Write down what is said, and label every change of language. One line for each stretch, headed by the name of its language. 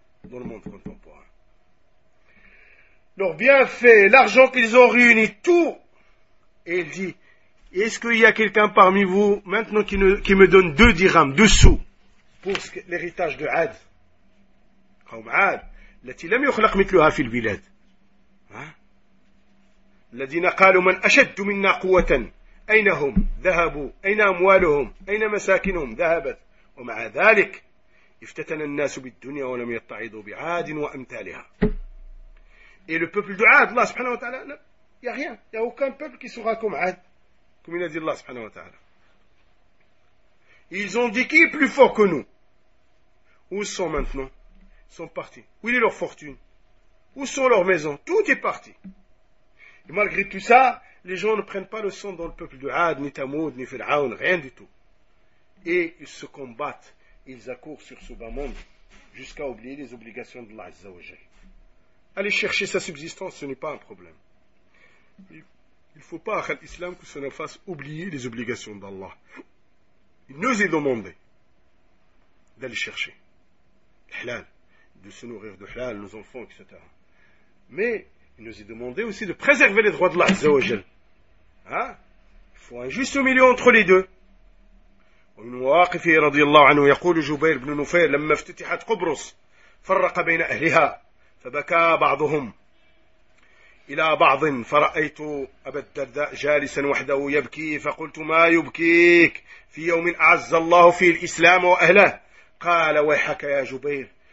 French: Dans le monde contemporain. Leur bienfait, l'argent qu'ils ont réuni, tout. Et il dit, est-ce qu'il y a quelqu'un parmi vous maintenant qui me donne 2 dirhams, 2 sous pour l'héritage de Ad, Qawm Ad,
Arabic: التي لم يخلق مثلها في البلاد. الذين قالوا من أشد منا قوة أين هم ذهبوا أين أموالهم أين مساكنهم ذهبت ومع ذلك افتتن الناس بالدنيا ولم يتعظوا بعاد وأمثالها.
French: Et le peuple de Ad, Allah سبحانه وتعالى, il n'y a rien, il n'y a aucun peuple qui sera comme Ad. Comme il a dit Allah subhanahu wa ta'ala. Ils ont dit, qui est plus fort que nous? Où sont maintenant? Ils sont partis. Où est leur fortune? Où sont leurs maisons? Tout est parti. Et malgré tout ça, les gens ne prennent pas le sang dans le peuple de Had, ni Tamoud, ni Fir'aoun, rien du tout. Et ils se combattent, ils accourent sur ce bas monde, jusqu'à oublier les obligations de Allah Azza wa Jalla. Aller chercher sa subsistance, ce n'est pas un problème. Il ne faut pas à l'islam que ça nous fasse oublier les obligations d'Allah. Il nous est demandé d'aller chercher. Halal. De se nourrir de halal, nos enfants, etc. Mais il nous est demandé aussi de préserver les droits de l'Allah Azzawajal. Il faut un juste milieu entre les deux.
Arabic: ومن مواقفه رضي الله عنه يقول جبير بن نفير لما افتتحت قبرص فرق بين أهلها فبكى بعضهم إلى بعض فرأيت أبا الدرداء جالسا وحده يبكي فقلت ما يبكيك في يوم أعز الله فيه الإسلام وأهله قال ويحك يا جبير